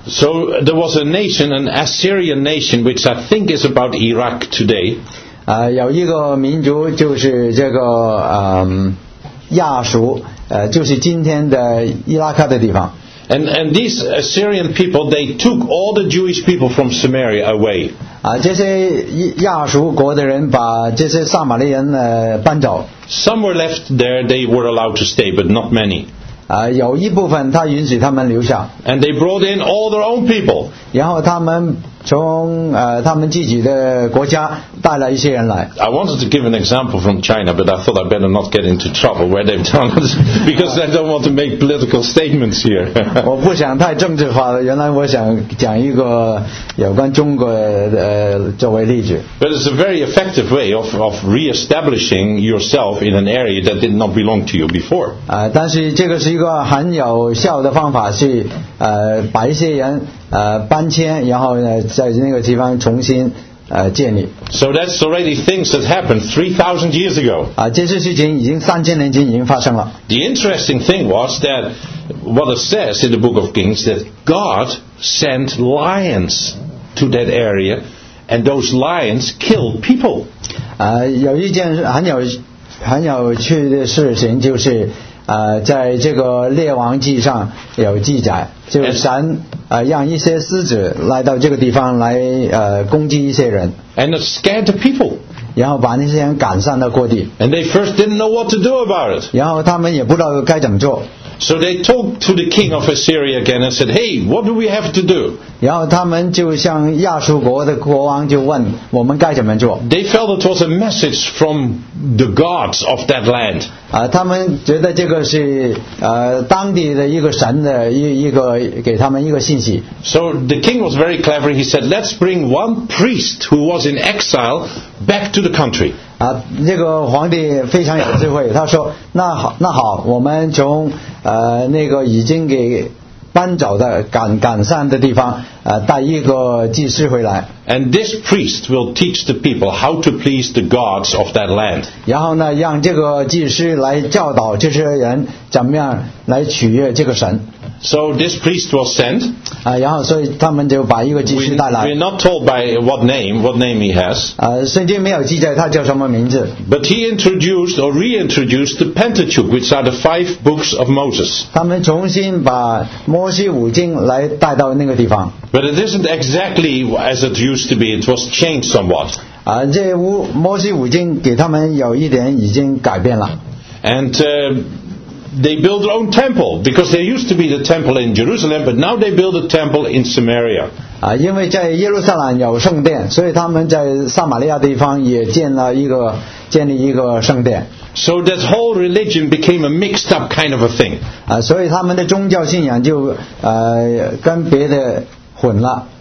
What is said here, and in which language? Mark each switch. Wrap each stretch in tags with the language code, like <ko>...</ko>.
<en>So there was a nation, an Assyrian nation, which I think is about Iraq today.</en> <zh>有一个民族就是这个亚述就是今天的伊拉克的地方</zh> <en>and these Assyrian people they took all the Jewish people from Samaria away</en> <zh>这些亚述国的人把这些撒玛利人搬走</zh> <en>some were left there they were allowed to stay but not many</en> <zh>有一部分他允许他们留下</zh> <en>and they brought in all their own people</en> <zh>然后他们从他们自己的国家带了一些人来。</zh> <en>I wanted to give an example from China, but I thought I better not get into trouble where they've done it, because I don't want to make political statements here.</en> <zh>我不想太政治化了。原来我想讲一个有关中国作为例子。</zh> <en>But it's a very effective way of reestablishing yourself in an area that did not belong to you before.</en> <zh>但是这个是一个很有效的方法，是把一些人。搬迁，然后呢在那个地方重新建立。</zh> <en>So that's already things that happened 3,000 years ago.</en> <zh>这些事情已经三千年前已经发生了。</zh> <en>The interesting thing was that what it says in the book of Kings that God sent lions to that area and those lions killed people.</en> <zh>有一件很有趣的事情就是在这个列王记上有记载，就是神让一些狮子来到这个地方来攻击一些人，</zh> <en>and scared the people，</en> <zh>然后把那些人赶上了过地，</zh> <en>and they first didn't know what to do about it，</en> <zh>然后他们也不知道该怎么做。</zh> <en>So they talked to the king of Assyria again and said, "Hey, what do we have to do?"</en> <zh>然后他们就向亚述国的国王就问我们该怎么做。</zh> <en>They felt it was a message from the gods of that land.</en> <zh>他们觉得这个是当地的一个神的一个给他们一个信息。</zh> <en>So the king was very clever. He said, "Let's bring one priest who was in exile back to the country."</en> <zh>这个皇帝非常有智慧，他说，那好，我们从那个已经给搬走的赶上的地方带一个祭司回来。</zh> <en>And this priest will teach the people how to please the gods of that land.</en> <zh>然后呢，让这个祭司来教导这些人怎么样来取悦这个神。</zh> <en>So this priest was sent.</en> <zh>然后所以他们就把一个祭司带来。</zh> <en>We're not told by what name he has.</en> <zh>圣经没有记载他叫什么名字。</zh> <en>But he introduced or reintroduced the Pentateuch, which are the five books of Moses.</en> <zh>他们重新把摩西五经来带到那个地方。</zh> <en>But it isn't exactly as it used to be. It was changed somewhat.</en> <zh>这摩西五经给他们有一点已经改变了。</zh> <en>And they build their own temple because there used to be the temple in Jerusalem, but now they build a temple in Samaria.</en> <zh>因为在耶路撒冷有圣殿，所以他们在撒玛利亚地方也建立一个圣殿。</zh> <en>So that whole religion became a mixed up kind of a thing.</en> <zh>所以他们的宗教信仰就跟别的混了。</zh>